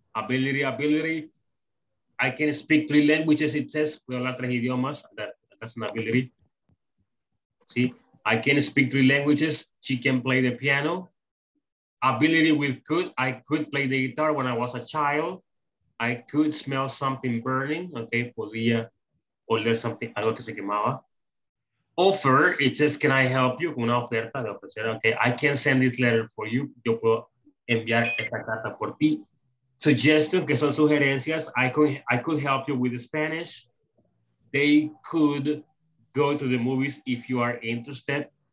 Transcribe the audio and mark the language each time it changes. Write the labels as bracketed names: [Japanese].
[English] Ability. I can speak three languages, it says. [Spanish] Puedo hablar tres idiomas. [English] That's an ability. See? I can speak three languages. She can play the piano. Ability with could. I could play the guitar when I was a child. I could smell something burning. [Spanish] Okay, podía oler something, algo que se quemaba. [English] Offer, it says, can I help you? [Spanish] Con una oferta de ofrecer. [English] Okay, I can send this letter for you. [Spanish] Yo puedo enviar esta carta por ti. [English] Suggestion, [Spanish] que son sugerencias. [English] I could help you with the Spanish. They could go to the movies if you are interested.